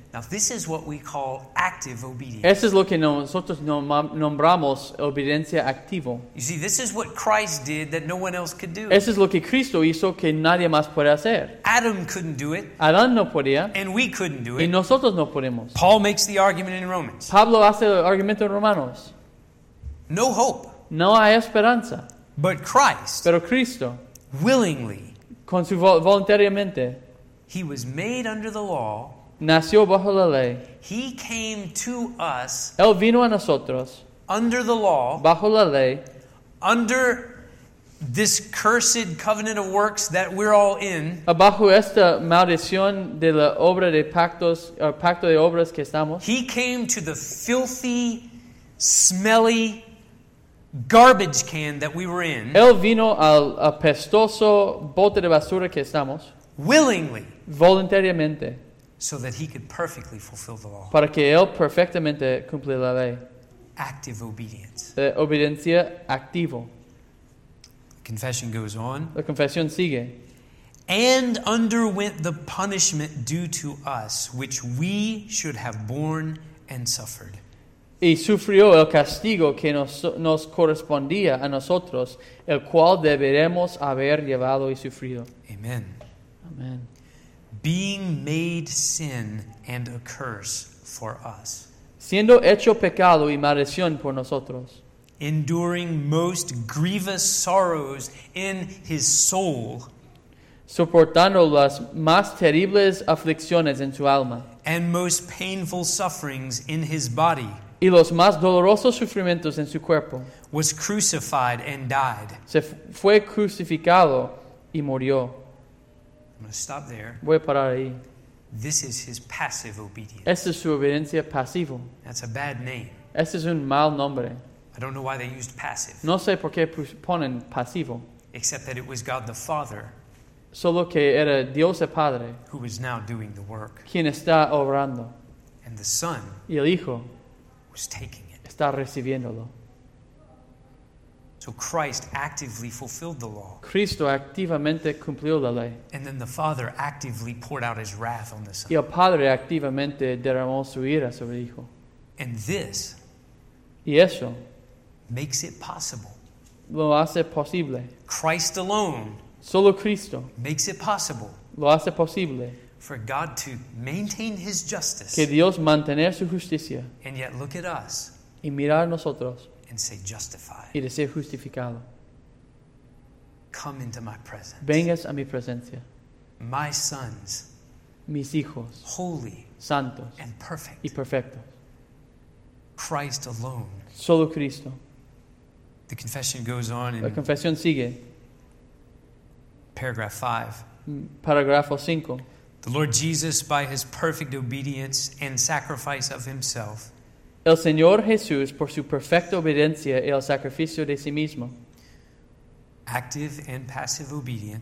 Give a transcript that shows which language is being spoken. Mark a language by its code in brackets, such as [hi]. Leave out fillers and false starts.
[en] Now this is what we call active obedience. [es] Eso es lo que nosotros nombramos obediencia activa. [en] You see, this is what Christ did that no one else could do. [es] Eso es lo que Cristo hizo que nadie más puede hacer. [en] Adam couldn't do it. [es] Adán no podía. [en] And we couldn't do [es] it. Y nosotros no podemos. [en] Paul makes the argument in Romans. [es] Pablo hace el argumento en Romanos. [en] No hope. [es] No hay esperanza. [en] But Christ. [es] Pero Cristo. [en] Willingly. [es] Con su voluntariamente. [en] He was made under the law. [es] Nació bajo la ley. [en] He came to us. [es] Él vino a nosotros. [en] Under the law. [es] Bajo la ley. [en] Under this cursed covenant of works that we're all in. [es] Bajo esta maldición de la obra de pactos, pacto de obras que estamos. [en] He came to the filthy, smelly garbage can that we were in. [es] Él vino al apestoso bote de basura que estamos. [en] Willingly. [es] Voluntariamente. [en] So that he could perfectly fulfill the law. [es] Para que él perfectamente cumpla la ley. [en] Active obedience. [es] La obediencia activa. [en] Confession goes on. [es] La confesión sigue. [en] And underwent the punishment due to us, which we should have borne and suffered. [es] y sufrió el castigo que nos correspondía a nosotros, el cual deberemos haber llevado y sufrido. [en] Amen. [es] Amen. [en] Being made sin and a curse for us. [es] Siendo hecho pecado y maldición por nosotros. [en] Enduring most grievous sorrows in his soul. [es] Soportando las más terribles aflicciones en su alma. [en] And most painful sufferings in his body. [es] Y los más dolorosos sufrimientos en su cuerpo. [en] Was crucified and died. [es] Fue crucificado y murió. [en] I'm going to stop there. [es] Voy a parar ahí. [en] This is his passive obedience. [es] Esta es su obediencia pasiva. [en] That's a bad name. [es] Este es un mal nombre. [en] I don't know why they used passive. [es] No sé por qué ponen pasivo. [en] Except that it was God the Father. [es] Solo que era Dios el Padre. [en] Who is now doing the work. [es] Quien está obrando. [en] And the Son. [es] Y el Hijo. [en] Was taking it. [es] Está recibiéndolo. [en] So Christ actively fulfilled the law. [es] Cristo activamente cumplió la ley. [en] And then the Father actively poured out his wrath on the Son. [es] Y el Padre activamente derramó su ira sobre el Hijo. [en] And this. [es] Y eso. [en] Makes it possible. [es] Lo hace posible. [en] Christ alone. [es] Solo Cristo. [en] Makes it possible. [es] Lo hace posible. [en] For God to maintain his justice. [es] Que Dios mantener su justicia. [en] And yet look at us. [es] Y mirar nosotros. [en] And say justified. [es] Y decir justificado. [en] Come into my presence. [es] Vengas a mi presencia. [en] My sons. [es] Mis hijos. [en] Holy. [es] Santos. [en] And perfect. [es] Y perfectos. [en] Christ alone. [es] Solo Cristo. [en] The confession goes on. [es] La confesión sigue. [en] Paragraph 5. [es] Paragrafo 5. [en] The Lord Jesus, by his perfect obedience and sacrifice of himself. [es] El Señor Jesús, por su perfecta obediencia y el sacrificio de sí mismo. [en] Active and passive obedience.